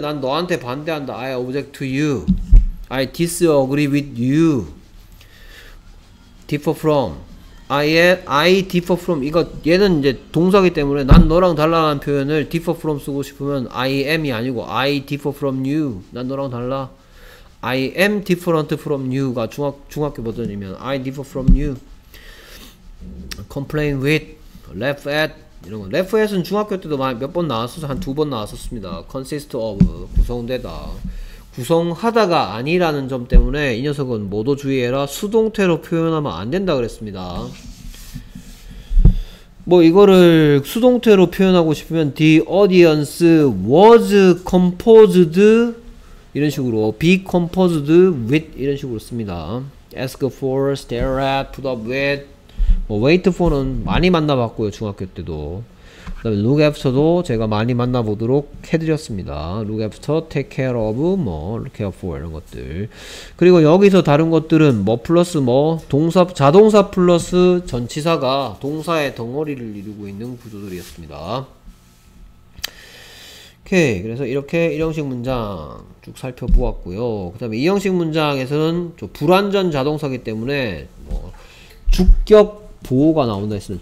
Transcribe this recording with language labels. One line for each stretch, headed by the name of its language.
Korean: 난 너한테 반대한다.
English: I object to you. I disagree with you. Differ from. I differ from.
Korean: 이거 얘는 이제 동사기 때문에 난 너랑 달라라는 표현을 differ from 쓰고 싶으면 I am이 아니고
English: I differ from you.
Korean: 난 너랑 달라.
English: I am different from you가
Korean: 중학교 버전이면
English: I differ from you. complain with, laugh at
Korean: 이런 거. laugh at은 중학교 때도 몇 번 나왔었어요. 한 두 번 나왔었습니다.
English: consist of, 구성되다.
Korean: 구성하다가 아니라는 점 때문에 이 녀석은 모두 주의해라. 수동태로 표현하면 안 된다 그랬습니다. 뭐 이거를 수동태로 표현하고 싶으면
English: the audience was composed
Korean: 이런 식으로 be composed with 이런 식으로 씁니다.
English: ask for, stare at, put up with 뭐 wait for는
Korean: 많이 만나봤고요 중학교 때도. 그 다음에 look after도 제가 많이 만나보도록 해드렸습니다.
English: look after, take care of, 뭐 care for 이런 것들.
Korean: 그리고 여기서 다른 것들은 뭐 플러스 뭐 동사 자동사 플러스 전치사가 동사의 덩어리를 이루고 있는 구조들이었습니다. 오케이. 그래서 이렇게 1형식 문장 쭉 살펴보았고요. 그 다음에 2형식 문장에서는 좀 불완전 자동사기 때문에 뭐 주격 보호가 나온다 했습니다.